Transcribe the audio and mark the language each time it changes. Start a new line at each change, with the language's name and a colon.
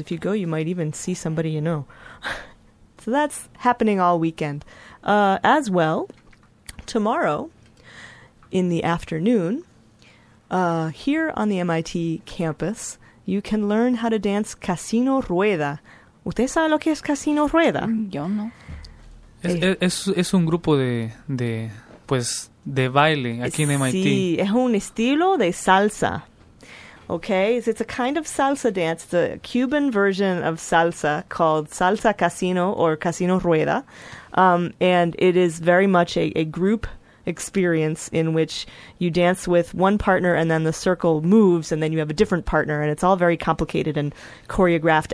English: If you go, you might even see somebody you know. So that's happening all weekend. As well, tomorrow in the afternoon, here on the MIT campus, you can learn how to dance Casino Rueda.
Spanish: ¿Usted sabe lo que es Casino Rueda? Yo no. Es un grupo de baile aquí en MIT. Sí, es un estilo de salsa.
English: Okay, it's a kind of salsa dance, the Cuban version of salsa called Salsa Casino or Casino Rueda. And it is very much a group experience in which you dance with one partner and then the circle moves and then you have a different partner and it's all very complicated and choreographed.